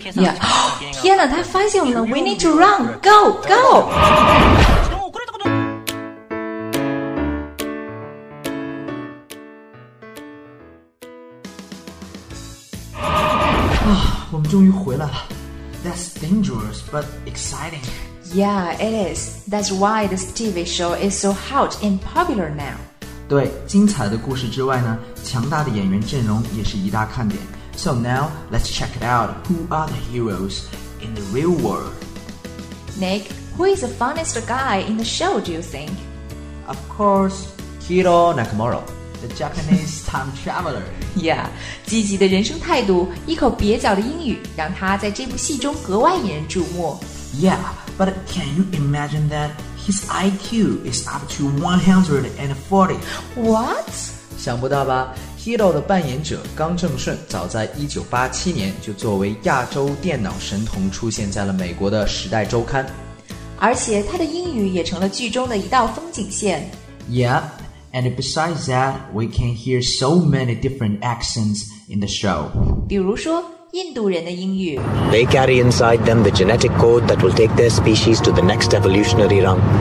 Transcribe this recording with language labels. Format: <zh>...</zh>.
<en>Yeah.</en> <zh>天哪，他发现我们了。</zh> <en>We need to run. Go, go! Ah,</en> <zh>我们终于回来了。</zh> <en>That's dangerous, but exciting. Yeah, it is. That's why this TV show is so hot and popular now.</en> <zh>对，精彩的故事之外呢，强大的演员阵容也是一大看点。</zh> <en>So now, let's check it out. Who are the heroes in the real world? Nick, who is the funniest guy in the show, do you think? Of course, Kiro Nakamura, the Japanese time traveler.</en> <zh>Yeah, 积极的人生态度，一口蹩脚的英语，让他在这部戏中格外引人注目。</zh> <en>Yeah, but can you imagine that his IQ is up to 140? What?</en> <zh>想不到吧 ，Hiro 的扮演者冈正顺早在1987年就作为亚洲电脑神童出现在了美国的《时代周刊》，而且他的英语也成了剧中的一道风景线。</zh> <en>Yeah, and besides that, we can hear so many different accents in the show.</en> <zh>比如说印度人的英语。</zh> <en>They carry inside them the genetic code that will take their species to the next evolutionary rung.</en>